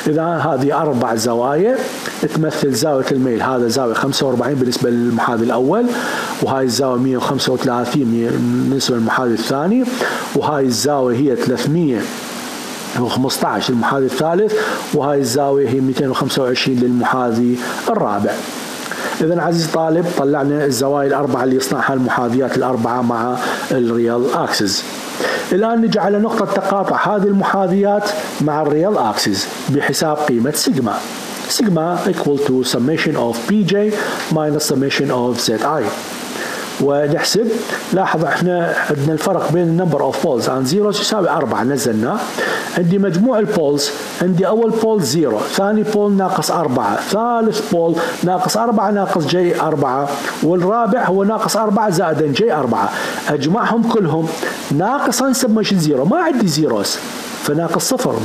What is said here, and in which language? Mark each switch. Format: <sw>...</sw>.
<ar>إذا هذه 4 زوايا تمثل زاوية الميل، هذا زاوية 45 بالنسبة للمحاذي الأول وهاي الزاوية 135 بالنسبة للمحاذي الثاني وهاي الزاوية هي 315 للمحاذي الثالث وهاي الزاوية هي 225 للمحاذي الرابع. إذن عزيزي طالب طلعنا الزوايا الأربعة اللي يصنعها المحاذيات الأربعة مع الريال أكسس. الآن نجي على نقطة تقاطع هذه المحاذيات مع الريال أكسس بحساب قيمة سيجما.</ar> <en>سيجما equal to summation of pj minus summation of zi.</en> <ar>ونحسب. لاحظ احنا عندنا الفرق بين number of poles عن 0 يساوي 4 نزلنا. عندي مجموع البولز، عندي اول بول 0، ثاني بول ناقص 4، ثالث بول ناقص 4 ناقص جي 4، والرابع هو ناقص 4 زائد جي 4، اجمعهم كلهم ناقص سبمشن 0، ما عندي زيروس فناقص صفر.</ar>